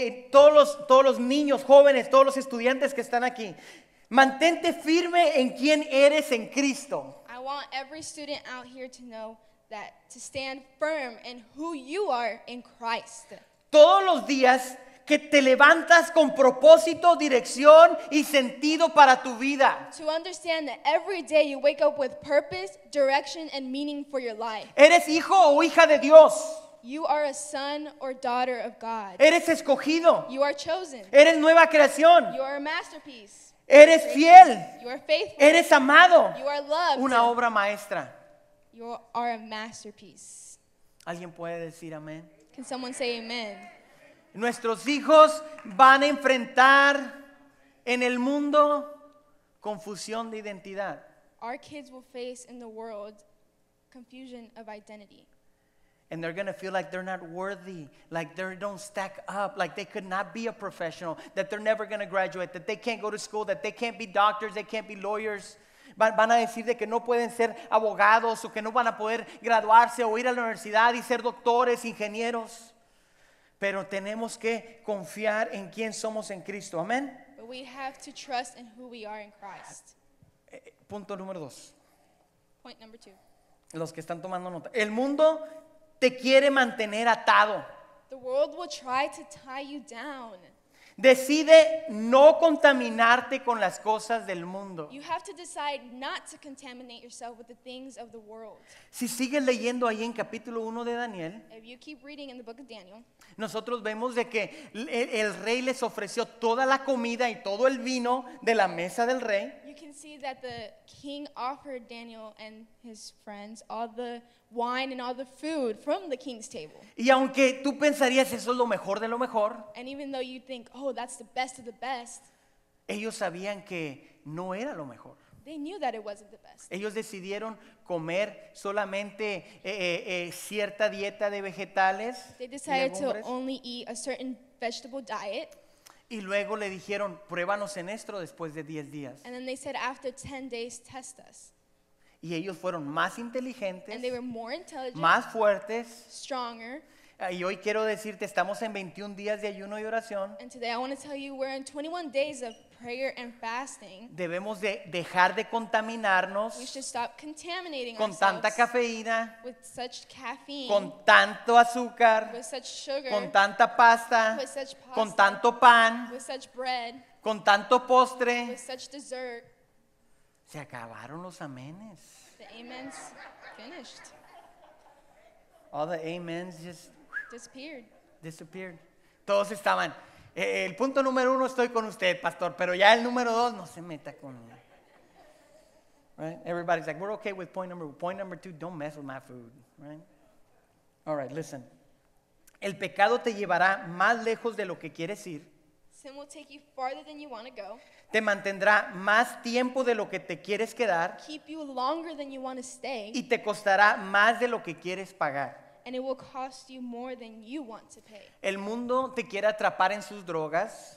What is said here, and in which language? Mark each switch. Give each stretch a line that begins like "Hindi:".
Spanish: Todos los niños, jóvenes, todos los estudiantes que están aquí. Mantente firme en quién eres en Cristo.
English: I want every student out here to know that to stand firm in who you are in Christ.
Spanish: Todos los días que te levantas con propósito, dirección y sentido para tu vida.
English: To understand that every day you wake up with purpose, direction and meaning for your life.
Spanish: Eres hijo o hija de Dios.
English: You are a son or daughter of God.
Spanish: Eres escogido.
English: You are chosen.
Spanish: Eres nueva creación.
English: You are a masterpiece.
Spanish: Eres fiel.
English: You are faithful.
Spanish: Eres amado.
English: You are loved.
Spanish: Una obra maestra.
English: You are a masterpiece.
Spanish: ¿Alguien puede decir amén?
English: Can someone say amen?
Spanish: Nuestros hijos van a enfrentar en el mundo confusión de identidad.
English: Our kids will face in the world confusion of identity. And they're going to feel like they're not worthy, like they don't stack up, like they could not be a professional, that they're never going to graduate, that they can't go to school, that they can't be doctors, they can't be lawyers.
Spanish: Van a decir de que no pueden ser abogados o que no van a poder graduarse o ir a la universidad y ser doctores, ingenieros. Pero tenemos que confiar en quién somos en Cristo. Amén.
English: But we have to trust in who we are in Christ.
Spanish: Punto número dos.
English: Point number two.
Spanish: Los que están tomando nota. El mundo te quiere mantener atado.
English: The world will try to tie you down.
Spanish: Decide no contaminarte con las cosas del mundo.
English: You have to decide not to contaminate yourself with the things of the world.
Spanish: Si sigues leyendo ahí en capítulo 1 de Daniel,
English: if you keep reading in the book of Daniel,
Spanish: nosotros vemos de que el rey les ofreció toda la comida y todo el vino de la mesa del rey.
English: You can see that the king offered Daniel and his friends all the wine and all the food from the king's table.
Spanish: Y aunque tú pensarías eso es lo mejor de lo mejor,
English: and even though you think, oh, that's the best of the best,
Spanish: ellos sabían que no era lo mejor.
English: They knew that it wasn't the best.
Spanish: Ellos decidieron comer solamente cierta dieta de vegetales.
English: They decided to only eat a certain vegetable diet.
Spanish: Y luego le dijeron, pruébanos en esto después de 10 días.
English: And then they said, after 10 days, test us.
Spanish: Y ellos fueron más inteligentes.
English: And they were more intelligent.
Spanish: Más fuertes.
English: Stronger.
Spanish: Y hoy quiero decirte, estamos en 21 días de ayuno y oración.
English: And today I want to tell you, we're in 21 days of prayer and fasting.
Spanish: Debemos de dejar de contaminarnos.
English: We should stop contaminating
Spanish: con tanta cafeína.
English: With such caffeine.
Spanish: Con tanto azúcar.
English: With such sugar.
Spanish: Con tanta pasta.
English: With such pasta.
Spanish: Con tanto pan.
English: With such bread.
Spanish: Con tanto postre.
English: With such dessert.
Spanish: Se acabaron los amenes.
English: The amens finished. All the amens just disappeared. Disappeared. Todos estaban.
Spanish: El punto número uno, estoy con usted, pastor, pero ya el número dos, no se meta conmigo.
English: Right? Everybody's like, we're okay with point number two, don't mess with my food. Right? All right, listen.
Spanish: El pecado te llevará más lejos de lo que quieres ir.
English: Sin will take you farther than you want to go.
Spanish: Te mantendrá más tiempo de lo que te quieres quedar.
English: Keep you longer than you want to stay.
Spanish: Y te costará más de lo que quieres pagar.
English: And it will cost you more than you want to pay.
Spanish: El mundo te quiere atrapar en sus drogas.